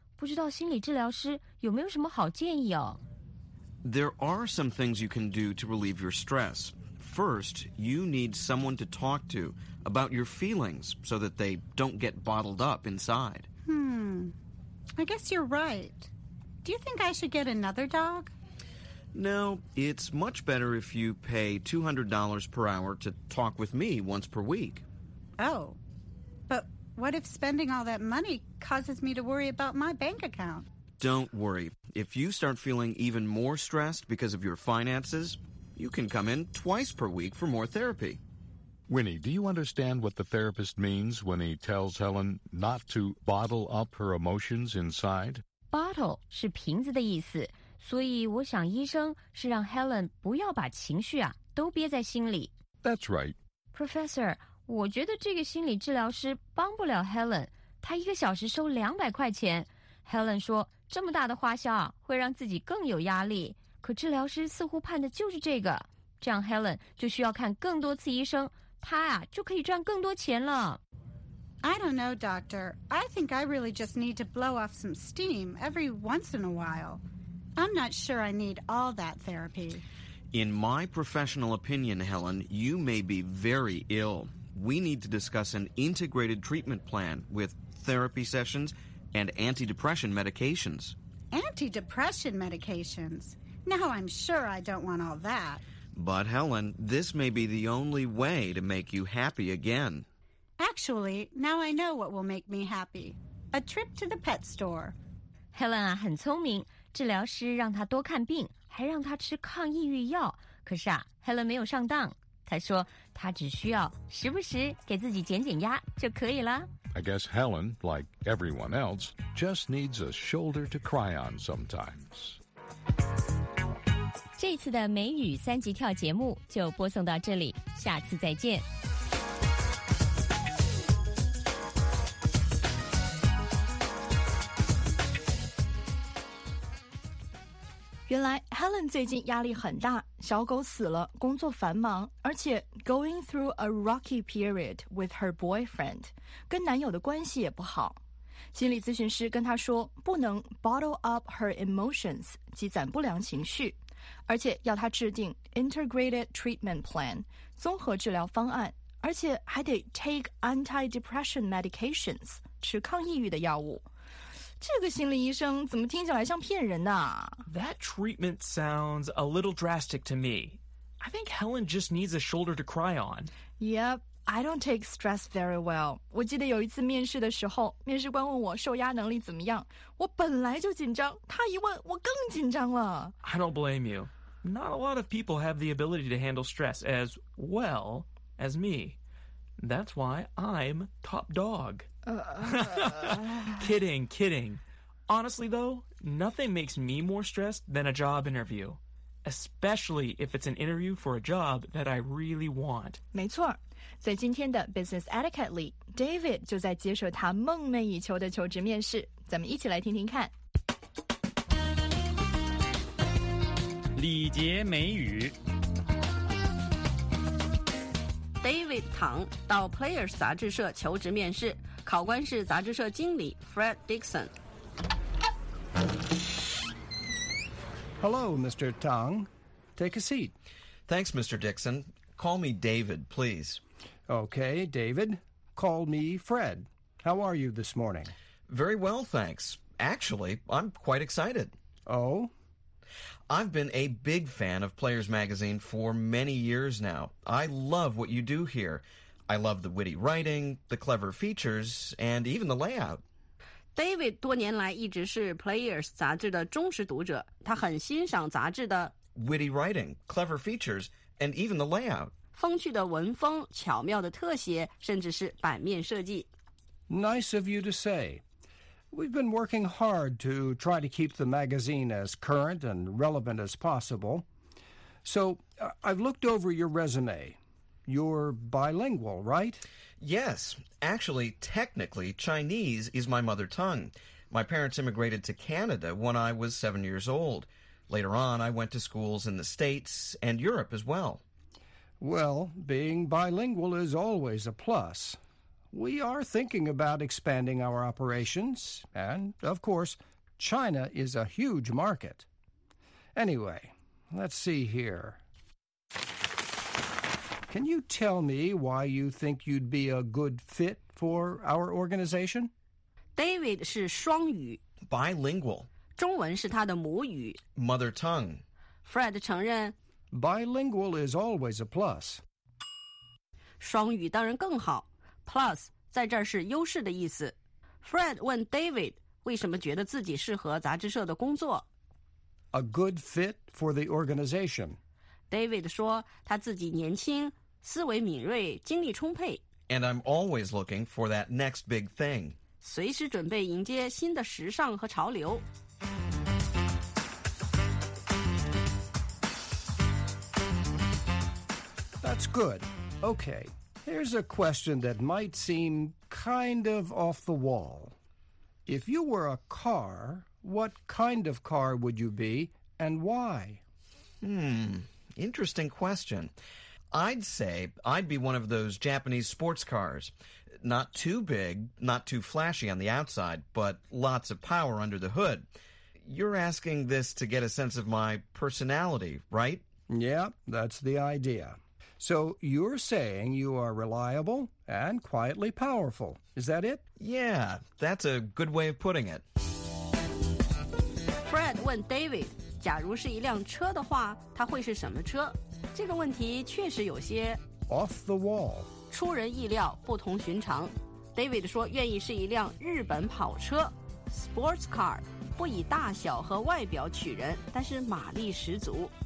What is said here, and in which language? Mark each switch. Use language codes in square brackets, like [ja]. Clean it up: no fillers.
[zh] 不知道心理治疗师有没有什么好建议哦。 [en] There are some things you can do to relieve your stress. First, you need someone to talk to about your feelings so that they don't get bottled up inside. I guess you're right. Do you think I should get another dog? No, it's much better if you pay $200 per hour to talk with me once per week. Oh, but what if spending all that money causes me to worry about my bank account? Don't worry. If you start feeling even more stressed because of your finances, you can come in twice per week for more therapy. Winnie, do you understand what the therapist means when he tells Helen not to bottle up her emotions inside? [zh] Bottle 是瓶子的意思，所以我想医生是让 Helen 不要把情绪啊都憋在心里。 [en] That's right. [zh] Professor, 我觉得这个心理治疗师帮不了 Helen, 他一个小时收200块钱。 Helen 说这么大的花销会让自己更有压力，可治疗师似乎盼的就是这个，这样 Helen 就需要看更多次医生，她啊就可以赚更多钱了。 [en] I don't know, doctor. I think I really just need to blow off some steam every once in a while. I'm not sure I need all that therapy. In my professional opinion, Helen, you may be very ill. We need to discuss an integrated treatment plan with therapy sessionsand anti-depression medications. Anti-depression medications? Now I'm sure I don't want all that. But Helen, this may be the only way to make you happy again. Actually, now I know what will make me happy. A trip to the pet store. [zh] Helen 啊，很聪明，治疗师让她多看病，还让她吃抗抑郁药。可是啊， Helen 没有上当。她说她只需要时不时给自己减减压就可以了。 [en] I guess Helen, like everyone else, just needs a shoulder to cry on sometimes. [zh] 这次的美语三级跳节目就播送到这里，下次再见。原来 Helen 最近压力很大，小狗死了，工作繁忙，而且 [en] going through a rocky period with her boyfriend， [zh] 跟男友的关系也不好。心理咨询师跟她说，不能 [en] bottle up her emotions， [zh] 积攒不良情绪，而且要她制定 [en] integrated treatment plan， [zh] 综合治疗方案，而且还得 [en] take anti-depression medications， [zh] 吃抗抑郁的药物。这个心理医生怎么听起来像骗人呢？ [en] That treatment sounds a little drastic to me. I think Helen just needs a shoulder to cry on. Yep, I don't take stress very well. [zh] 我记得有一次面试的时候，面试官问我受压能力怎么样，我本来就紧张，他一问我更紧张了。 [en] I don't blame you. Not a lot of people have the ability to handle stress as well as me. That's why I'm top dog. kidding. Honestly, though, nothing makes me more stressed than a job interview. Especially if it's an interview for a job that I really want. [zh] 没错，在今天的 Business Etiquette 里 ，David 就在接受他梦寐以求的求职面试。咱们一起来听听看。礼节美语。 David 唐到 Players 杂志社求职面试，考官是杂志社经理 Fred Dixon。 [en] Hello, Mr. Tang. Take a seat. Thanks, Mr. Dixon. Call me David, please. Okay, David. Call me Fred. How are you this morning? Very well, thanks. Actually, I'm quite excited. Oh? I've been a big fan of Players Magazine for many years now. I love what you do here. I love the witty writing, the clever features, and even the layout. [zh] David 多年来一直是 Players 杂志的忠实读者，他很欣赏杂志的 [en] witty writing, clever features, and even the layout. [zh] 风趣的文风、巧妙的特写，甚至是版面设计。 [en] Nice of you to say. We've been working hard to try to keep the magazine as current and relevant as possible. So, I've looked over your resume. You're bilingual, right? Yes. Actually, technically, Chinese is my mother tongue. My parents immigrated to Canada when I was 7 years old. Later on, I went to schools in the States and Europe as well. Well, being bilingual is always a plus. We are thinking about expanding our operations, and, of course, China is a huge market. Anyway, let's see here. Can you tell me why you think you'd be a good fit for our organization? [zh] David 是双语 [en] Bilingual. [zh] 中文是他的母语 [en] Mother tongue. [zh] Fred 承认 [en] Bilingual is always a plus. [zh] 双语当然更好 Plus 在这儿是优势的意思 Fred 问 David 为什么觉得自己适合杂志社的工作 [en] A good fit for the organization. [zh] David 说他自己年轻，思维敏锐，精力充沛。 [en] And I'm always looking for that next big thing. [zh] 随时准备迎接新的时尚和潮流。 [en] That's good. Okay, here's a question that might seem kind of off the wall. If you were a car, what kind of car would you be and why? Interesting question. I'd say I'd be one of those Japanese sports cars. Not too big, not too flashy on the outside, but lots of power under the hood. You're asking this to get a sense of my personality, right? Yeah, that's the idea. So you're saying you are reliable and quietly powerful. Is that it? Yeah, that's a good way of putting it. [zh] Fred 问 David. 假如是一辆车的话，它会是什么车？这个问题确实有些 [en] off the wall， [zh] 出人意料，不同寻常。 David 说愿意是一辆日本跑车 ，sports car， 不以大小和外表取人，但是马力十足。